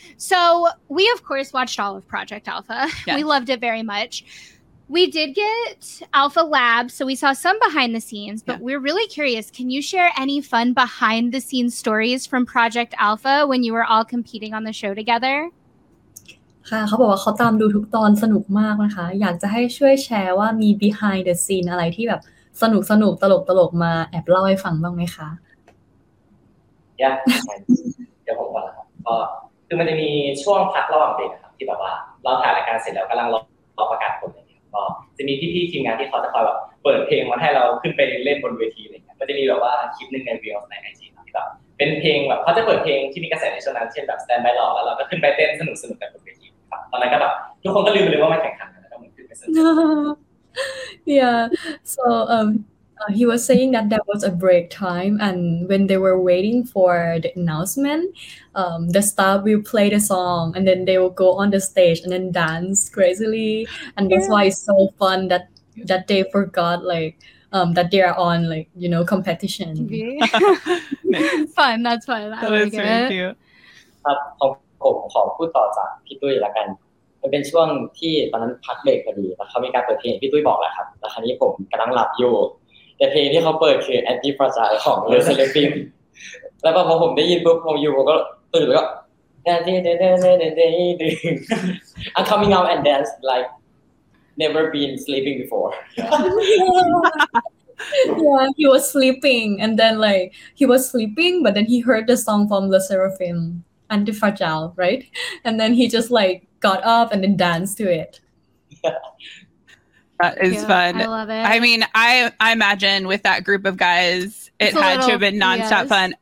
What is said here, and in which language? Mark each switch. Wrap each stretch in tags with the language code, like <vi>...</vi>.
<en>So we, of course, watched all of Project Alpha. Yes. We loved it very much. We did get Alpha Lab, so we saw some behind the scenes, but we're really curious. Can you share any fun behind the scenes stories from Project Alpha when you were all competing on the show together?</en> <th>ค่ะเขาบอกว่าเขาตามดูทุกตอนสนุกมากนะคะอยากจะให้ช่วยแชร์ว่ามี</th> <en>behind the scene</en> <th>อะไรที่แบบสนุกสนุกตลกตลกมาแอบเล่าให้ฟังบ้างไหมคะ Yeah, เดี๋ยวผมบอกนะครับก็คือมันจะมีช่วงพักระหว่างเด็กครับที่แบบว่าเราถ่ายรายการเสร็จแล้วกำลังรอประกาศผลก็จะมีพี่ๆทีมงานที่เขาจะคอยแบบเปิดเพลงมาให้เราขึ้นไปเล่นบนเวทีอะไรเงี้ยมันจะมีแบบว่าคลิปนึงในวีดีโอในไอจีที่แบบเป็นเพลงแบบเขาจะเปิดเพลงที่มีกระแสในช่วงนั้นเช่นแบบ Stand By Love แล้วเราก็ขึ้นไปเต้นสนุกสนุกกันบนเวทีครับตอนนั้นก็แบบทุกคนก็ลืมเลยว่ามันแข่งขันแล้วก็เหมือนขึ้นไปสนุ</th> <en>ก Yeah so he was saying that there was a break time, and when they were waiting for the announcement, the star will play the song, and then they will go on the stage and then dance crazily. And that's why it's so fun that they forgot that they are on competition. Fun. That's fun. That was really cute.</en> <th>ผมพูดต่อจากพี่ตุ้ยละกันมันเป็นช่วงที่ตอนนั้นพักเบรกพอดีแล้วเขามีการเปิดเพลงพี่ตุ้ยบอกแล้วครับแล้วคราวนี้ผมกำลังหลับอยู่แต่เพลงที่เขาเปิดคือแอนตี้ประจายของเลอเซเลฟินแล้วพอผมได้ยินปุ๊บผมอยู่ผมก็ตื่นแล้วก็เดินเดินเดินเดินเดิน</th> <en>I'm coming out and dance like never been sleeping before yeah he was sleeping and then like he was sleeping but then he heard the song from Le Sserafim Anti Fragile right and then he just like got up and then danced to it That is fun. I love it. I mean, I imagine with that group of guys, it had to have been nonstop fun.</en>